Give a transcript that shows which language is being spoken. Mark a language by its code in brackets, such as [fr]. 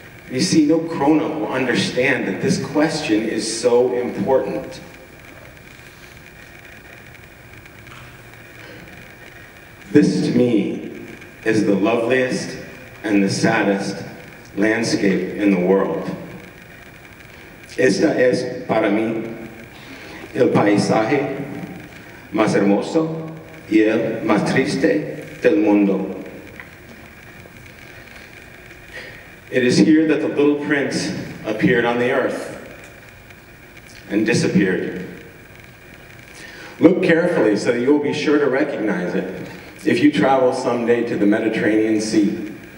[en] You see, no grown-up will understand that this question is so important. This, to me, is the loveliest and the saddest landscape in the world. [es] Esta es para mí el paisaje más hermoso y el más triste del mundo. [en] It is here that the little prince appeared on the earth and disappeared. Look carefully so that you will be sure to recognize it if you travel someday to the Mediterranean Sea.